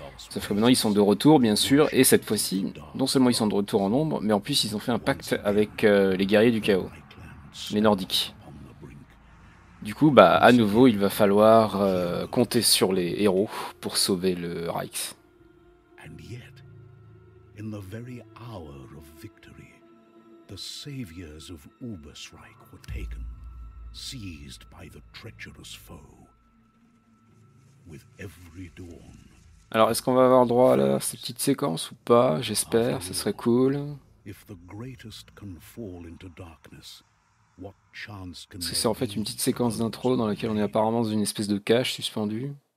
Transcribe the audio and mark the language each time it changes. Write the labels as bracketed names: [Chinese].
[French] Sauf que maintenant, ils sont de retour, bien sûr, et cette fois-ci, non seulement ils sont de retour en nombre, mais en plus, ils ont fait un pacte avec les guerriers du chaos, les nordiques. Du coup, à nouveau, il va falloir compter sur les héros pour sauver le Reich. [English] In the very hour of victory, the saviors of Ubersreich were taken, seized by the treacherous foe. With every dawn. [French] Alors, est-ce qu'on va avoir droit à cette petite séquence ou pas? J'espère, ce serait cool. [English] If the greatest can fall into darkness, what chance can there be? [French] C'est en fait une petite séquence d'intro dans laquelle on est apparemment dans une espèce de cage suspendue.